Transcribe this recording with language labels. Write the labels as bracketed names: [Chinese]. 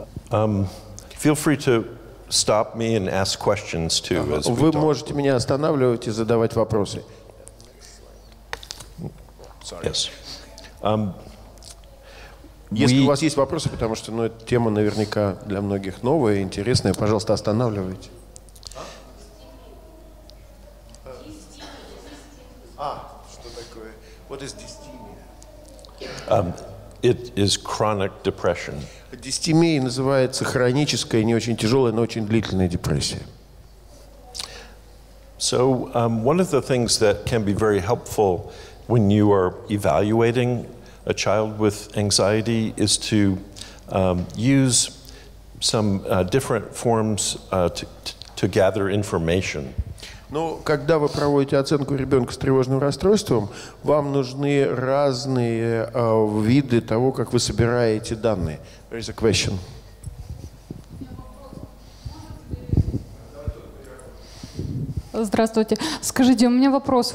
[English] Feel free to stop me and ask questions too. [Russian] Вы можете меня останавливать и задавать вопросы. [English] Sorry. Yes. [Russian] Если у вас есть вопросы, потому что, ну, эта тема наверняка для многих новая, интересная, пожалуйста, останавливайте. Что такое? [English] What is dysthymia? It is chronic depression. [Russian] Дистимия называется хроническая, не очень тяжелая, но очень длительная депрессия. [English] So one of the things that can be very helpful when you are evaluating a child with anxiety is to use some different forms to gather information. [Russian] Но когда вы проводите оценку ребенка с тревожным расстройством, вам нужны разные виды того, как вы собираете данные. [English] There is a question. [Russian] Здравствуйте. Скажите, у меня вопрос.